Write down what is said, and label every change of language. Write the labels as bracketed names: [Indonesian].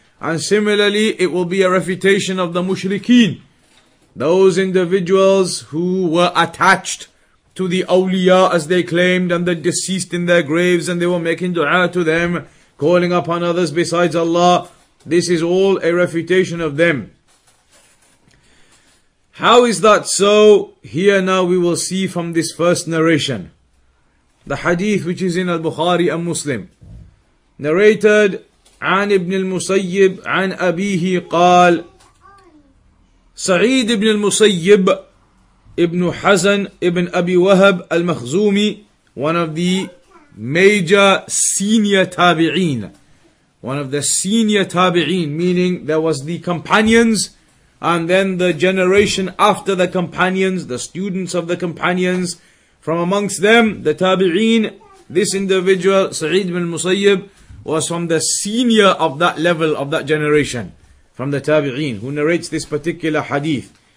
[English] And similarly, it will be a refutation of the mushrikeen, those individuals who were attached to the awliya, as they claimed, and the deceased in their graves, and they were making dua to them, calling upon others besides Allah. This is all a refutation of them. How is that so? Here now we will see from this first narration. The hadith which is in Al-Bukhari and Muslim. Narrated, [Arabic] عن ابن المسيب عن أبيه قال سعيد ابن المسيب ابن حزن ابن أبي وهب المخزومي, [English] one of the major senior tabi'een. One of the senior tabi'een, meaning there was the companions, and then the generation after the companions, the students of the companions, from amongst them, the tabi'een, this individual, Sa'id ibn Musayyib, was from the senior of that level, of that generation, from the tabi'een, who narrates this particular hadith.